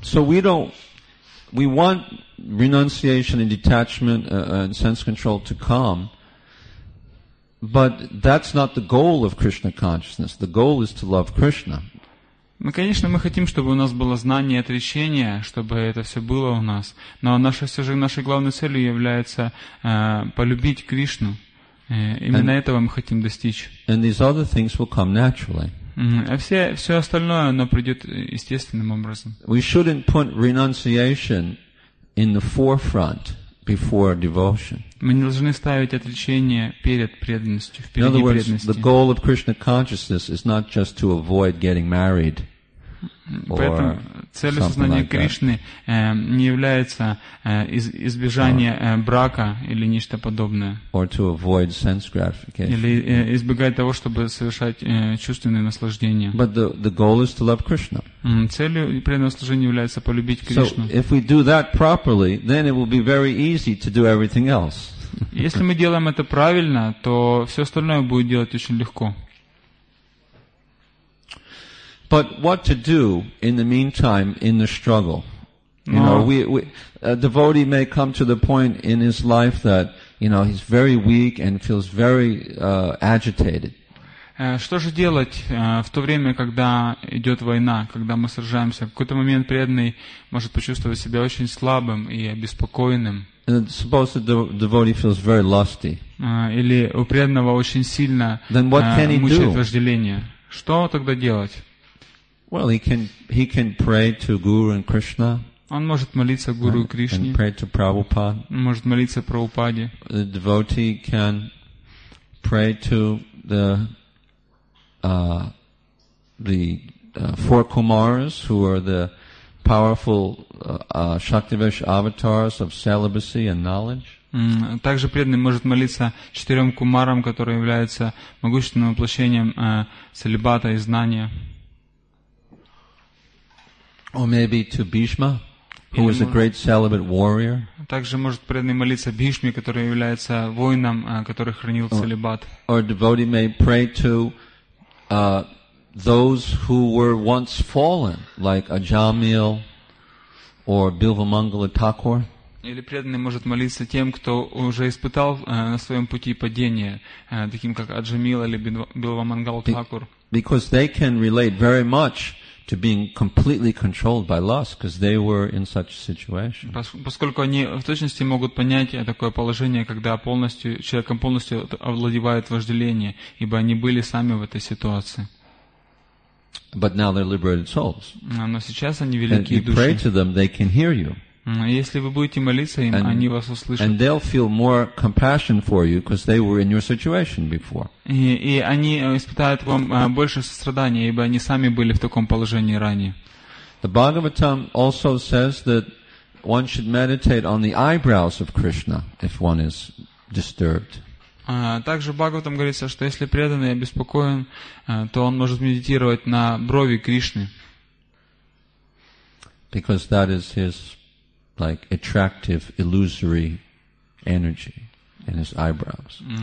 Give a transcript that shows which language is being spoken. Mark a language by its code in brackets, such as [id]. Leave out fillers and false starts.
[en] We want renunciation and detachment and sense control to come. But that's not the goal of Krishna consciousness. The goal is to love Krishna. [ru] Мы, конечно, мы хотим, чтобы у нас было знание и отречение, чтобы это все было у нас. Но наша, все же нашей главной целью является полюбить Кришну. Именно этого мы хотим достичь. [en] And these other things will come naturally. [ru] А все остальное, оно придет естественным образом. [en] We shouldn't put renunciation in the forefront before devotion. [ru] Мы не должны ставить отречение перед преданностью, впереди преданности. [en] In other words, the goal of Krishna consciousness is not just to avoid getting married. [ru] Поэтому цель сознания Кришны не является избежание брака или нечто подобное. [en] Or to avoid sense gratification. [ru] Или избегать того, чтобы совершать чувственные наслаждения. [en] But the goal is to love Krishna. [ru] Целью преданного служения является полюбить Кришну. [en] So if we do that properly, then it will be very easy to do everything else. [ru] Если мы делаем это правильно, то все остальное будет делать очень легко. [en] But what to do in the meantime in the struggle? A devotee may come to the point in his life that, you know, he's very weak and feels very agitated. [ru] Что же делать в то время, когда идет война, когда мы сражаемся? В какой-то момент преданный может почувствовать себя очень слабым и обеспокоенным. [en] Suppose the devotee feels very lusty. [ru] Или у преданного очень сильно мучает вожделение. Что тогда делать? [en] Well, he can pray to Guru and Krishna. [ru] Он может молиться Гуру и Кришне. [en] And pray to Prabhupada. [ru] Он может молиться Прабхупаде. [en] The devotee can pray to the four Kumaras, who are the powerful Shaktivesh avatars of celibacy and knowledge. [ru] Также преданный может молиться четырем кумарам, которые являются могущественным воплощением целибата и знания. [en] Or maybe to Bhishma, who is a great celibate warrior. [ru] Также может преданный молиться Бхишме, который является воином, который хранил целибат. [en] Or a devotee may pray to those who were once fallen, like Ajamil or Bilvamangala Thakur. [ru] Или преданный может молиться тем, кто уже испытал на своем пути падение, таким как Аджамила или Билва Мангал Такур. [en] Because they can relate very much to being completely controlled by lust, because they were in such a situation. [ru] Поскольку они в точности могут понять такое положение, когда полностью человеком полностью овладевает вожделение, ибо они были сами в этой ситуации. [en] But now they're liberated souls. [ru] Но сейчас они великие души. [en] And you pray to them, they can hear you. [ru] Если вы будете молиться им, они вас услышат. [en] And they'll feel more compassion for you because they were in your situation before. [ru] И они испытают вам больше сострадания, ибо они сами были в таком положении ранее. [en] The Bhagavatam also says that one should meditate on the eyebrows of Krishna if one is disturbed. [ru] Также Бхагаватам говорится, что если преданный обеспокоен, то он может медитировать на брови Кришны. [en] Because that is his like attractive illusory energy in his eyebrows.